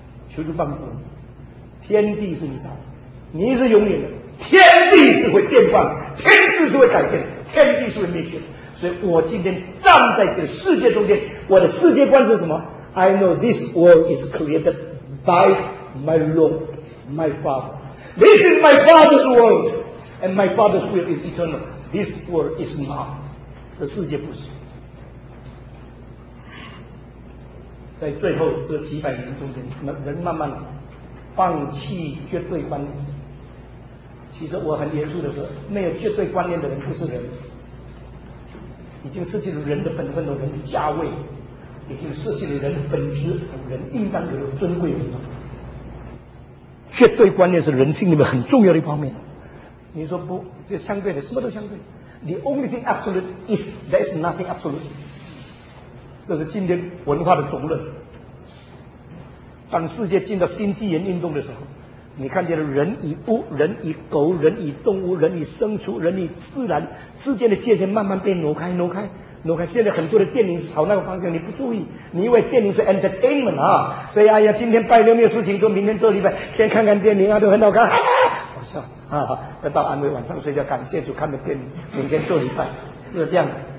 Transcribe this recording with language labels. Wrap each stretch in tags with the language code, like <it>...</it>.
<zh>求主帮助，天地是你造的，你是永远的，天地是会变化，天地是会改变，天地是会灭绝。所以我今天站在这个世界中间，我的世界观是什么？</zh> <en>I know this world is created by my Lord, my Father. This is my Father's world, and my Father's will is eternal. This world is not.</en> <zh>这世界不是。在最后这几百年中间，人慢慢放弃绝对观念。其实我很严肃的说，没有绝对观念的人不是人，已经失去了人的本分和人的价位，已经失去了人的本质，人应当有的尊贵。绝对观念是人性里面很重要的一方面。你说不，这相对的，什么都相对。</zh> <en>The only thing absolute is there is nothing absolute.</en> <zh>这是今天文化的总论。当世界进到新纪元运动的时候，你看见了人与物、人与狗、人与动物、人与牲畜、人与自然之间的界限慢慢被挪开、挪开、挪开。现在很多的电影是朝那个方向，你不注意，你以为电影是 entertainment 啊，所以哎呀，今天拜六没有事情做，明天做礼拜，先看看电影啊，都很好看，好笑啊，得到安慰，晚上睡觉感谢主看的电影，明天做礼拜，是这样的。</zh>